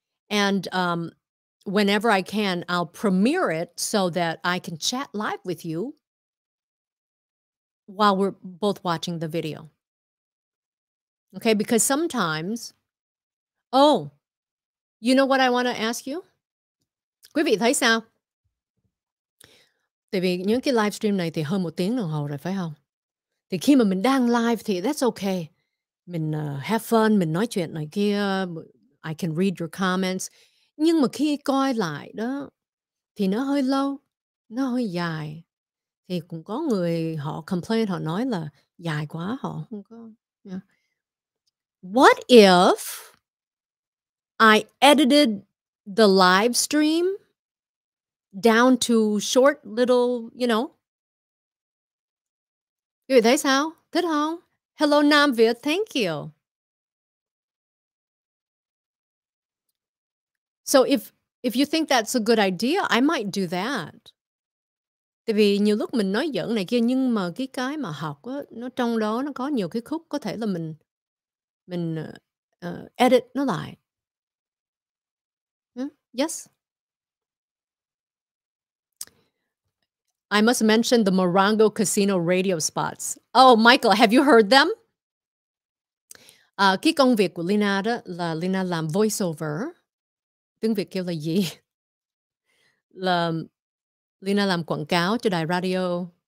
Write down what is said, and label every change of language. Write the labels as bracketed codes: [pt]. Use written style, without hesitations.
[en] And whenever I can, I'll premiere it so that I can chat live with you while we're both watching the video. Okay, because sometimes, oh, you know what I want to ask you? [vi] Quý vị thấy sao? Tại vì những cái live stream này thì hơn một tiếng đồng hồ rồi, phải không? Thì khi mà mình đang live thì that's okay. [en] Mình have fun, [vi] mình nói chuyện này kia, [en] I can read your comments. [vi] Nhưng mà khi coi lại đó, thì nó hơi lâu, nó hơi dài. thì cũng có người họ complain, họ nói là dài quá, họ không có. [en] Yeah. What if I edited the live stream down to short little, you know? [vi] Quý vị thấy sao? Thích không? Hello Nam Việt, [en] thank you. So if you think that's a good idea, I might do that. [vi] Tại vì nhiều lúc mình nói giỡn này kia, nhưng mà cái mà học á, nó trong đó nó có nhiều cái khúc có thể là mình edit nó lại. [en] Yes. I must mention the Morongo Casino radio spots. Oh, Michael, have you heard them? [vi] Cái công việc của Leyna đó là Leyna làm voiceover. Tiếng Việt kêu là gì? Là Leyna làm quảng cáo cho đài radio.